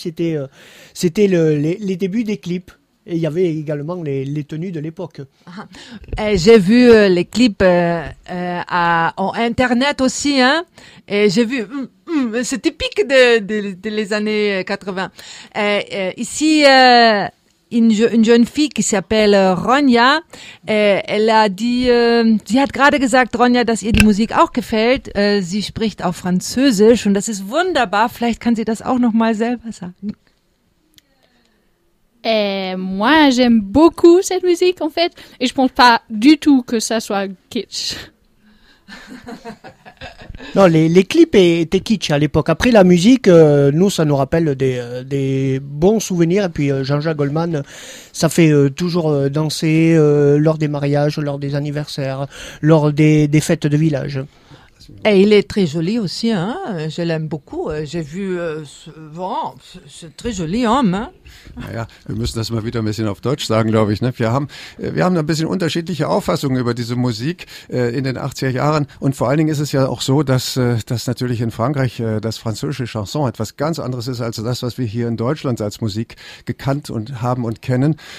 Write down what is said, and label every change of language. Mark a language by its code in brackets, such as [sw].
[fr] C'était les débuts des clips. Et il y avait également les tenues de l'époque. J'ai vu les clips en Internet aussi, hein. Et j'ai vu... c'est typique de les années 80. Ici, une jeune fille qui s'appelle Ronja, elle a dit, [de] sie hat gerade gesagt, Ronja, dass ihr die Musik auch gefällt. Sie spricht auch Französisch und das ist wunderbar. Vielleicht kann sie das auch noch mal selber sagen. [fr] Et moi, j'aime beaucoup cette musique, en fait. Et je pense pas du tout que ça soit kitsch. Non, les clips étaient kitsch à l'époque. Après, la musique, nous, ça nous rappelle des bons souvenirs. Et puis, Jean-Jacques Goldman, ça fait toujours danser lors des mariages, lors des anniversaires, lors des fêtes de village. Et il est très joli aussi, hein. Je l'aime beaucoup. J'ai vu souvent, c'est un très joli homme. Hein. [de] Naja, wir müssen das mal wieder ein bisschen auf Deutsch sagen, glaube ich. Ne? Wir haben ein bisschen unterschiedliche Auffassungen über diese Musik in den 80er Jahren. Und vor allen Dingen ist es ja auch so, dass natürlich in Frankreich das französische Chanson etwas ganz anderes ist als das, was wir hier in Deutschland als Musik gekannt und haben und kennen.